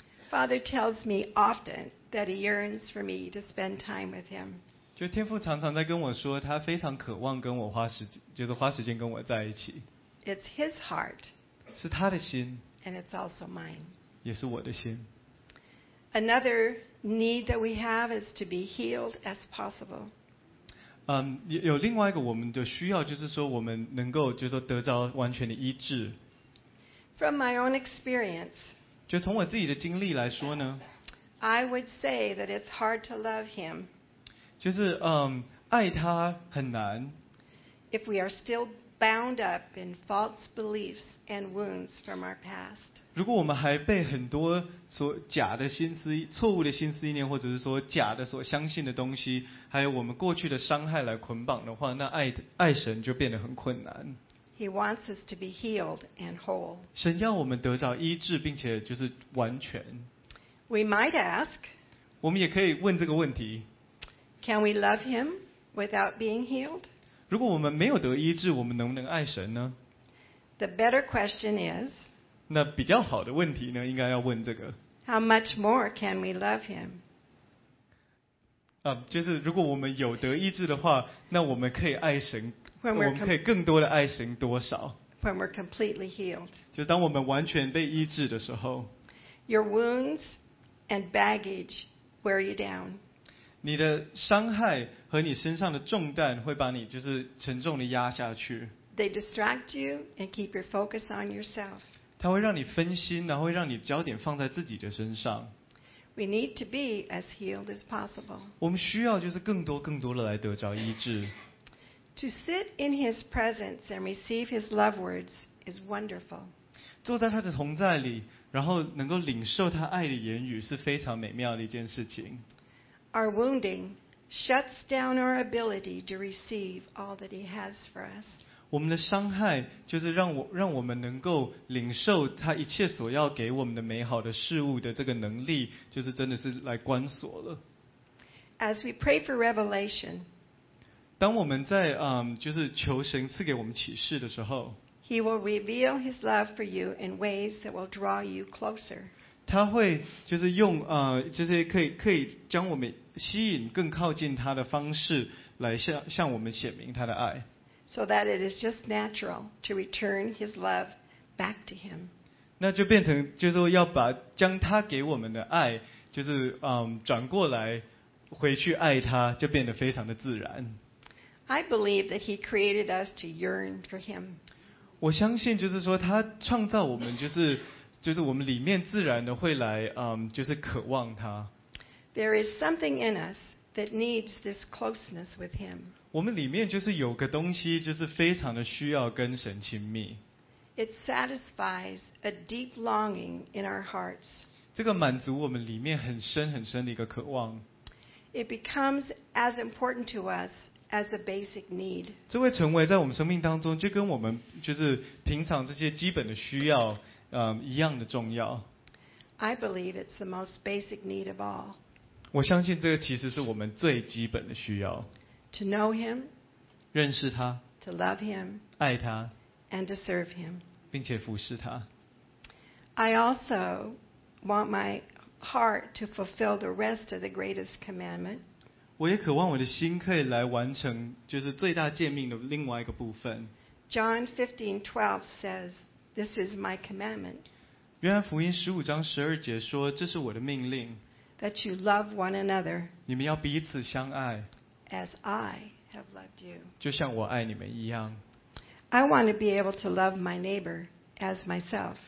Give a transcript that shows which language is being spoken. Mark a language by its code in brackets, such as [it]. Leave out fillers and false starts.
[en] Father tells me often that he yearns for me to spend time with him. [zh] 就天父常常在跟我说，他非常渴望跟我花时间，就是花时间跟我在一起。 [en] It's his heart. [zh] 是他的心。 [en] And it's also mine. [zh] 也是我的心。 [en] Another need that we have is to be healed as possible. [zh] 有另外一个我们的需要，就是说我们能够就是说得到完全的医治。 [en] From my own experience. [zh] 就从我自己的经历来说呢。 [en] I would say that it's hard to love him. [zh] 就是爱他很难。 [en] If we are still bound up in false beliefs and wounds from our past. [zh] 如果我们还被很多所假的心思、错误的心思意念，或者是说假的所相信的东西，还有我们过去的伤害来捆绑的话，那爱神就变得很困难。 [en] He wants us to be healed and whole. [zh] 神要我们得着医治，并且就是完全。 [en] We might ask, [zh] 我们也可以问这个问题。 [en] Can we love him without being healed? [zh] 如果我们没有得医治，我们能不能爱神呢？ [en] The better question is, [zh] 那比较好的问题呢，应该要问这个。 [en] How much more can we love him? [zh] 就是如果我们有得医治的话，那我们可以爱神，我们可以更多的爱神多少？ [en] When we're completely healed. [zh] 就当我们完全被医治的时候。 [en] Your wounds and baggage wear you down. [zh] 你的伤害和你身上的重担会把你就是沉重地压下去。 [en] They distract you and keep your focus on yourself. [zh] 它会让你分心，然后会让你焦点放在自己的身上。 [en] We need to be as healed as possible. [zh] 我们需要就是更多更多的来得着医治。 [en] To sit in His presence and receive His love words is wonderful. [zh] 坐在他的同在里。然后能够领受他爱的言语是非常美妙的一件事情。 [en] Our wounding shuts down our ability to receive all that He has for us. [zh] 我们的伤害就是让我们能够领受他一切所要给我们的美好的事物的这个能力，就是真的是来关锁了。 [en] As we pray for revelation, [zh] 当我们在就是求神赐给我们启示的时候。 [en] He will reveal His love for you in ways that will draw you closer. [zh] 他会就是用就是可以将我们吸引更靠近他的方式来向我们显明他的爱。 [en] So that it is just natural to return His love back to Him. [zh] 那就变成就是说要把将他给我们的爱就是转过来回去爱他，就变得非常的自然。 [en] I believe that He created us to yearn for Him. [zh] 我相信就是说他创造我们就是我们里面自然的会来就是渴望他。 [en] There is something in us that needs this closeness with him. [zh] 我们里面就是有个东西就是非常的需要跟神亲密。 [en] It satisfies a deep longing in our hearts. [zh] 这个满足我们里面很深很深的一个渴望。 [en] It becomes as important to us. As a basic need. [zh] 这会成为在我们生命当中，就跟我们就是平常这些基本的需要，一样的重要。 [en] I believe it's the most basic need of all. [zh] 我相信这个其实是我们最基本的需要。 [en] To know him. [zh] 认识他。 [en] To love him. [zh] 爱他。 [en] And to serve him. [zh] 并且服侍他。 [en] I also want my heart to fulfill the rest of the greatest commandment. [zh] 我也渴望我的心可以来完成就是最大诫命的另外一个部分。 [en] John 15:12 says, This is my commandment. [zh] 约翰福音15:12说，这是我的命令。 [en] That you love one another. [zh] 你们要彼此相爱。 [en] As I have loved you. [zh] 就像我爱你们一样。 [en] I want to be able to love my neighbor as myself.